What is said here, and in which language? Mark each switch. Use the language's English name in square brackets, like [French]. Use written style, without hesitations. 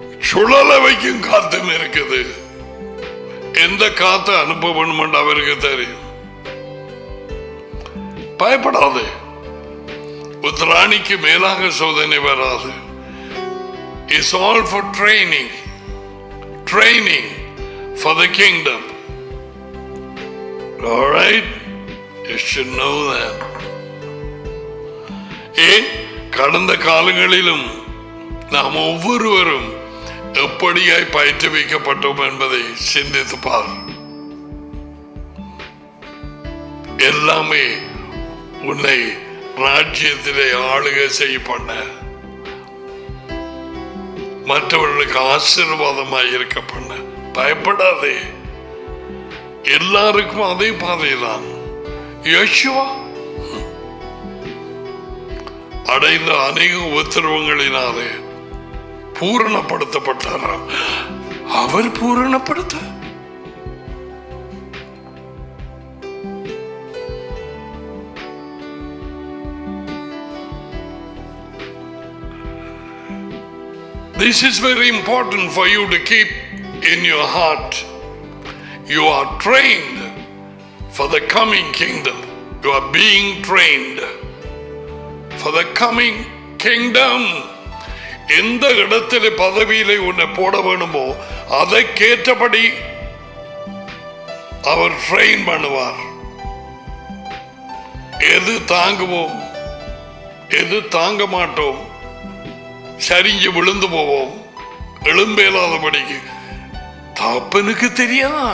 [Tamil] சுழல வைக்கும் காத்தும் இருக்குது. எந்த காத்து அனுப்ப வேண்டுமென்று அவருக்கு தெரியும். பயப்படாது, உத்ராணிக்கு மேலாக சோதனை வராது. [English] It's all for training. Training for the kingdom. All right? You should know that. [Tamil] கடந்த காலங்களிலும் நாம் ஒவ்வொருவரும் எப்படியாய் பயிற்றுவிக்கப்பட்டோம் என்பதை சிந்தித்து பார். எல்லாமே உன்னை ராஜ்யத்திலே ஆளுக செய்ய பண்ண, மற்றவர்களுக்கு ஆசீர்வாதமாய் இருக்க பண்ண. பயப்படாதே, எல்லாருக்கும் அதே பாதைதான். யோசுவா அடைந்த அநேக உபத்திரவங்களினாலே பூரணப்படுத்தப்பட்டாராம். அவர் பூரணப்படுத்த [English] This is very important for you to keep in your heart. You are trained for the coming kingdom. You are being trained for the coming kingdom. [Tamil] எந்த இடத்துல பதவியில உன்னை போட வேணுமோ அதை கேட்டபடி அவர் ட்ரெயின் பண்ணுவார். எது தாங்குவோம், எது தாங்க மாட்டோம், சரிஞ்சு விழுந்து போவோம், எழும்பேலாதபடிக்கு தாப்பனுக்கு தெரியா.